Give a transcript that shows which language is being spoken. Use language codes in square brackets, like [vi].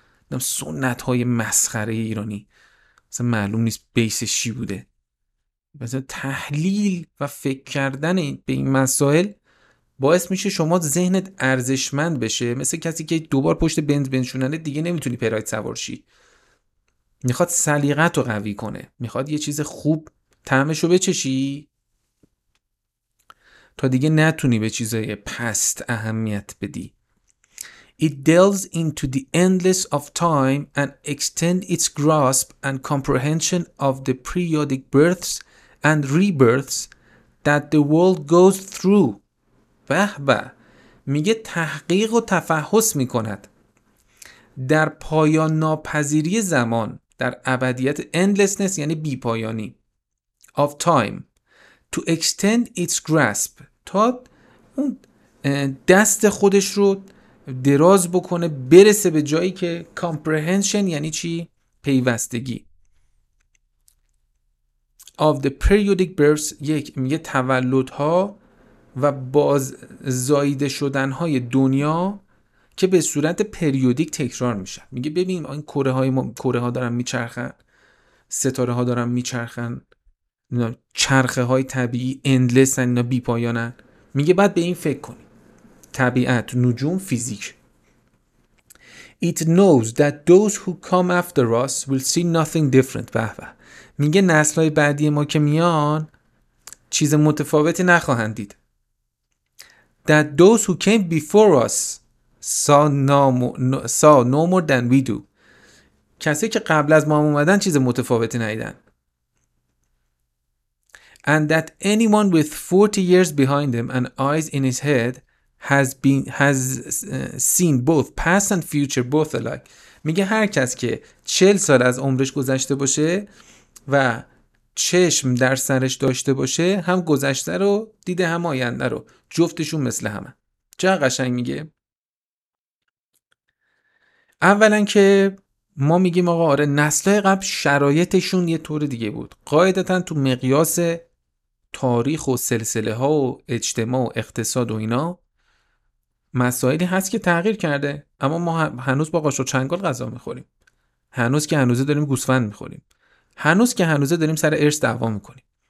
[fa] دم سنت های مسخره ایرانی مثلا معلوم نیست بیسش چی بوده، مثلا تحلیل و فکر کردن به این مسائل باعث میشه شما ذهنت ارزشمند بشه، مثل کسی که دوبار پشت بند بنشوننده دیگه نمیتونی پراید سوار شی، میخواد سلیقت رو قوی کنه، میخواد یه چیز خوب طعمش رو بچشی تا دیگه نتونی به چیزای پست اهمیت بدی. [en] It delves into the endless of time and extend its grasp and comprehension of the periodic births and rebirths that the world goes through. [fa] به به، میگه تحقیق و تفحص میکند در پایان ناپذیری زمان، در ابدیت، endlessness یعنی بی پایانی، [en] of time to extend its grasp، [fa] تا اون دست خودش رو دراز بکنه برسه به جایی که comprehension یعنی چی؟ پیوستگی، [en] of the periodic births، [fa] یک میگه تولدها و باز زایده شدنهای دنیا که به صورت پریودیک تکرار میشه. میگه ببین این کره های ما، کره ها دارن میچرخن، ستاره ها دارن میچرخن، اینا چرخه های طبیعی اندلس هن، اینا بی پایان هن. میگه بعد به این فکر کنی، طبیعت، نجوم، فیزیک. [en] It knows that those who come after us will see nothing different. [fa] به به، میگه نسل های بعدی ما که میان چیز متفاوتی نخواهند دید. [en] That those who came before us saw no more than we do. [fa] کسی که قبل از ما هم اومدن چیز متفاوتی ندیدن. [en] and that anyone with 40 years behind him and eyes in his head has seen both past and future both alike. [fa] میگه هر کس که 40 سال از عمرش گذشته باشه و چشم در سرش داشته باشه، هم گذشته رو دیده هم آینده رو، جفتشون مثل همه. چه قشنگ میگه. اولا که ما میگیم آقا آره، نسلهای قبل شرایطشون یه طور دیگه بود، قاعدتا تو مقیاس تاریخ و سلسله ها و اجتماع و اقتصاد و اینا مسائلی هست که تغییر کرده، اما ما هنوز با قاشق و چنگال غذا میخوریم، هنوز که هنوزه داریم گوسفند میخوریم، هنوز که هنوزه داریم سر ارث دعوا میکنیم.